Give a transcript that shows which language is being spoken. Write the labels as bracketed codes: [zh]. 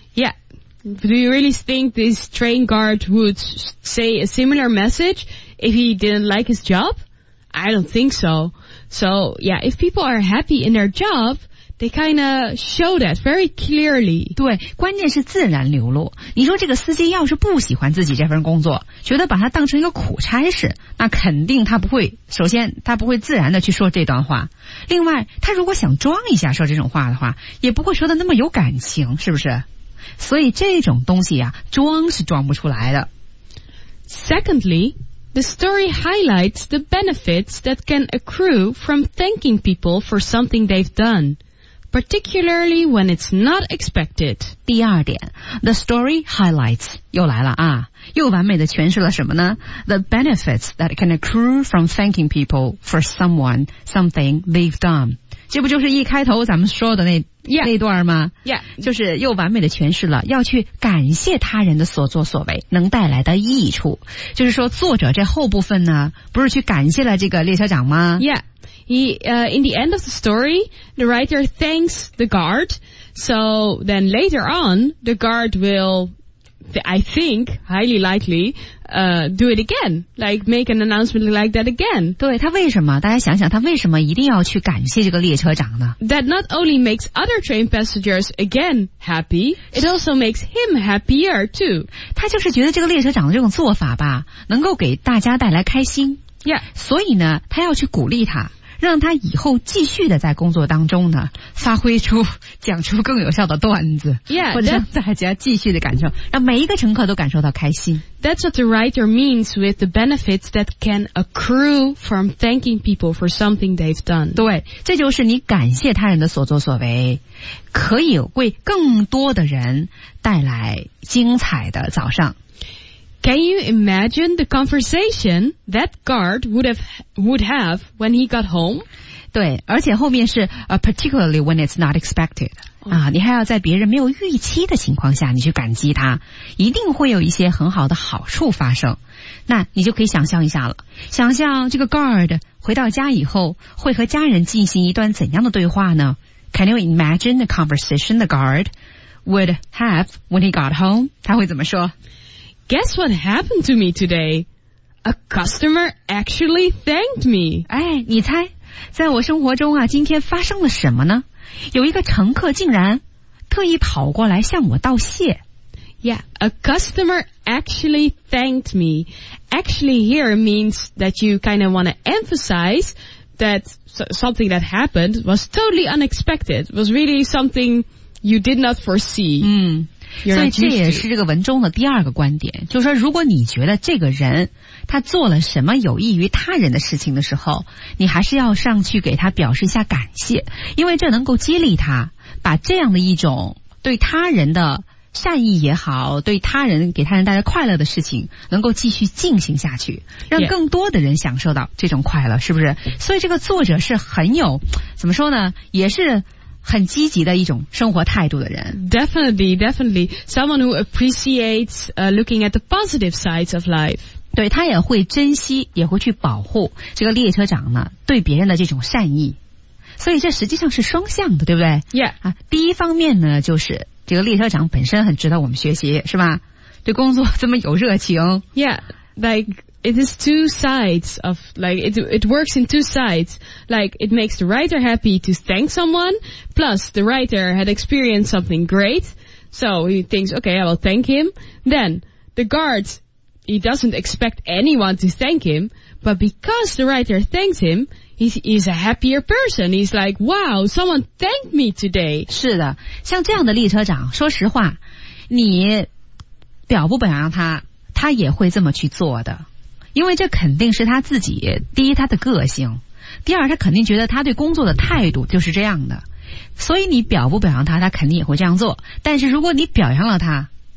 [en] Yeah, do you really think this train guard would say a similar message if he didn't like his job? I don't think so. So yeah, if people are happy in their job. They kind of show that very clearly. [zh] 对，关键是自然流露。你说这个司机要是不喜欢自己这份工作，觉得把它当成一个苦差事，那肯定他不会，首先他不会自然的去说这段话。另外，他如果想装一下说这种话的话，也不会说的那么有感情，是不是？所以这种东西啊，装是装不出来的。 [en] Secondly, the story highlights the benefits that can accrue from thanking people for something they've done. Particularly when it's not expected. [zh] 第二点 [en] ,the story highlights, [zh] 又来了啊又完美的诠释了什么呢 [en] ?the benefits that can accrue from thanking people for someone, something they've done. [zh] 这不就是一开头咱们说的那、 [en] yeah. [zh] 那段吗 [en] ?Yeah. [zh] 就是又完美的诠释了要去感谢他人的所作所为能带来的益处。就是说作者这后部分呢不是去感谢了这个列车长吗 [en] ?Yeah. In the end of the story, the writer thanks the guard. So then later on, the guard will, I think, highly likely, do it again. Like, make an announcement like that again. [zh] 对，他为什么，大家想想，他为什么一定要去感谢这个列车长呢？ [en] That not only makes other train passengers again happy, it also makes him happier too. [zh] 他就是觉得这个列车长的这种做法吧，能够给大家带来开心。 [en] Yeah. [zh] 所以呢，他要去鼓励他。让他以后继续的在工作当中呢发挥出讲出更有效的段子 [en] yeah, [zh] 或者让大家继续的感受让每一个乘客都感受到开心 [en] That's what the writer means with the benefits that can accrue from thanking people for something they've done [zh] 对这就是你感谢他人的所作所为可以为更多的人带来精彩的早上 [en] Can you imagine the conversation that guard would have when he got home? [zh] 对，而且后面是 [en] particularly when it's not expected. [zh] 啊，你还要在别人没有预期的情况下，你去感激他，一定会有一些很好的好处发生。那你就可以想象一下了，想象这个 guard 回到家以后，会和家人进行一段怎样的对话呢？ [en] Can you imagine the conversation the guard would have when he got home? [zh] 他会怎么说？ [en] Guess what happened to me today? A customer actually thanked me. [zh] 哎，你猜，在我生活中啊，今天发生了什么呢？有一个乘客竟然特意跑过来向我道谢。 [en] Yeah, a customer actually thanked me. Actually here means that you kind of want to emphasize that something that happened was totally unexpected, was really something you did not foresee. [zh] 嗯。所以这也是这个文中的第二个观点就是说如果你觉得这个人他做了什么有益于他人的事情的时候你还是要上去给他表示一下感谢因为这能够激励他把这样的一种对他人的善意也好对他人给他人带来快乐的事情能够继续进行下去让更多的人享受到这种快乐是不是所以这个作者是很有怎么说呢也是很积极的一种生活态度的人 [en] Definitely, definitely Someone who appreciates looking at the positive sides of life [zh] 对他也会珍惜也会去保护这个列车长呢对别人的这种善意所以这实际上是双向的对不对 [en] Yeah、 [zh] 第一方面呢就是这个列车长本身很值得我们学习是吧对工作这么有热情 [en] Yeah, likeIt is two sides of, like, it works in two sides. Like, it makes the writer happy to thank someone, plus the writer had experienced something great, so he thinks, okay, I will thank him. Then, the guard, he doesn't expect anyone to thank him, but because the writer thanks him, he's a happier person. He's like, wow, someone thanked me today. [zh] 是的，像这样的列车长，说实话，你表不表扬他，他也会这么去做的。因为这肯定是他自己第一他的个性第二他肯定觉得他对工作的态度就是这样的所以你表不表扬他他肯定也会这样做但是如果你表扬了他、